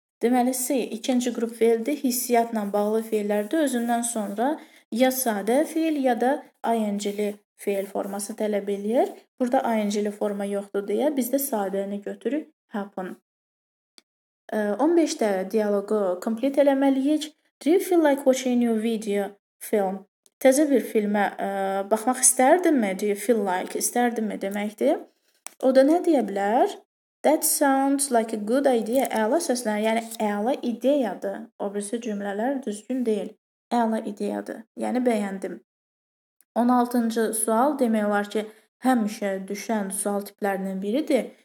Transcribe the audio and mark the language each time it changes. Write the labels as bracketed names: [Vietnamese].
[Azerbaijani] Deməli, see, ikinci qrup fiildir, hissiyyatla bağlı fiillərdir. Özündən sonra ya sadə fiil, ya da ing-li fiil forması tələb edir. Burada ing-li forma yoxdur deyə biz də sadəni götürük, happen. 15-də dialogu komplet eləməliyik. [English] Do you feel like watching a new video film? [Azerbaijani] Təzə bir filmə baxmaq istərdim mi? [English] Do you feel like? [Azerbaijani] İstərdim mi deməkdir? O da nə deyə bilər? [English] That sounds like a good idea. [Azerbaijani] Əla səslənir, yəni əla ideyadır. Obrisi cümlələr düzgün deyil. Əla ideyadır, yəni bəyəndim. 16-cı sual demək olar ki, həmişə düşən sual tiplərinin biridir.